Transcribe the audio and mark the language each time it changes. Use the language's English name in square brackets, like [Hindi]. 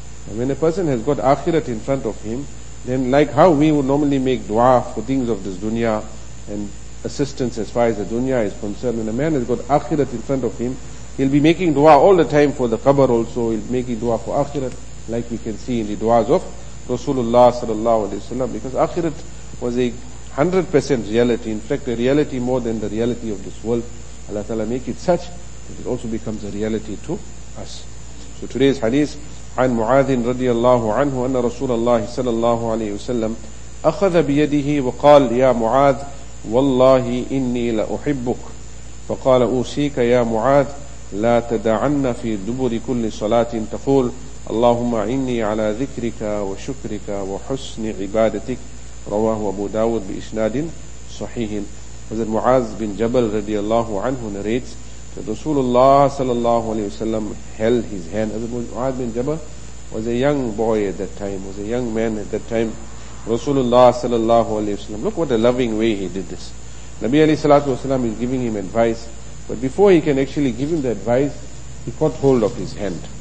[English] And when a person has got akhirat in front of him, then like how we would normally make dua for things of this dunya and assistance as far as the dunya is concerned, when a man has got akhirat in front of him, he'll be making dua all the time for the qabr also. He'll be making dua for akhirat, like we can see in the duas of Rasulullah sallallahu alayhi wa sallam, because akhirat was a 100% reality, in fact a reality more than the reality of this world. Allah ta'ala make it such that it also becomes a reality to us. So today's hadith, [Arabic] عن معاذ رضي الله عنه أن رسول الله صلى الله عليه وسلم أخذ بيده وقال يا معاذ والله إني لأحبك فقال أوصيك يا معاذ لا تدعن في دبر كل صلاة تقول اللهم إني على ذكرك وشكرك وحسن عبادتك رواه أبو داود بإسناد صحيح. [English] حضرت معاذ بن جبل [Arabic] رضي الله عنه [English] narrates that Rasulullah صلى الله عليه وسلم held his hand. حضرت معاذ بن جبل was a young boy at that time, was a young man at that time. Rasulullah [Arabic] صلى الله عليه وسلم, [English] look what a loving way he did this. Nabi [Arabic] عليه الصلاة والسلام [English] is giving him advice, but before he can actually give him the advice, he caught hold of his hand.